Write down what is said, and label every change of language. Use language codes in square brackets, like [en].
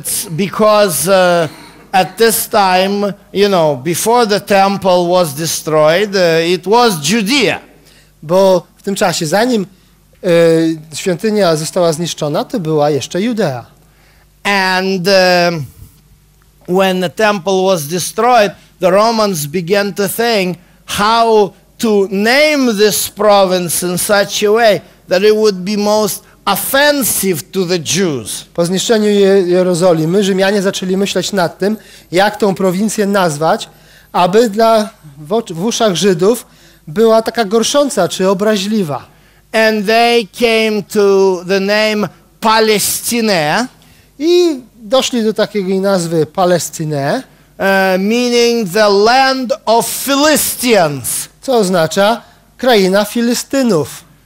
[en] Because at this time, you know, before the temple was destroyed, it was Judea. [pl] Bo w tym czasie, zanim świątynia została zniszczona, to była jeszcze Judea. [en] And when the temple was destroyed, the Romans began to think how to name this province in such a way that it would be most offensive to the Jews. [pl] Po zniszczeniu Jerozolimy, Rzymianie zaczęli myśleć nad tym, jak tą prowincję nazwać, aby w uszach Żydów była taka gorsząca czy obraźliwa. [en] And they came to the name Palestine. [pl] I doszli do takiej nazwy Palestine. [en] Meaning the land of Philistines. [pl] Co oznacza kraina Filistynów.